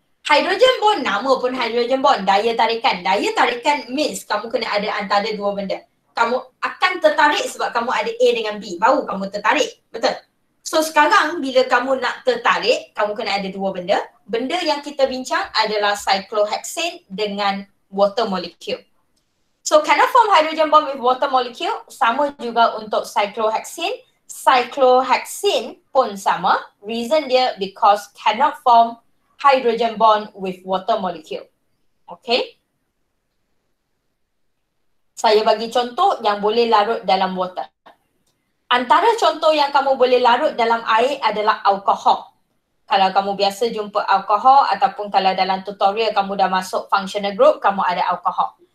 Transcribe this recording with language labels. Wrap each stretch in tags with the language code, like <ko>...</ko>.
<ms>Hydrogen bond, nama pun hydrogen bond. Daya tarikan. Daya tarikan means kamu kena ada antara dua benda. Kamu akan tertarik sebab kamu ada A dengan B. Baru kamu tertarik. Betul? So sekarang bila kamu nak tertarik, kamu kena ada dua benda. Benda yang kita bincang adalah cyclohexane dengan water molecule.</ms> <en>So cannot form hydrogen bond with water molecule.</en> <ms>Sama juga untuk cyclohexane. Cyclohexane pun sama.</ms> <en>Reason dia because cannot form hydrogen bond with water molecule. Okay.</en> <ms>Saya bagi contoh yang boleh larut dalam water. Antara contoh yang kamu boleh larut dalam air adalah alkohol. Kalau kamu biasa jumpa alkohol ataupun kalau dalam tutorial kamu dah masuk functional group, kamu ada alkohol.</ms>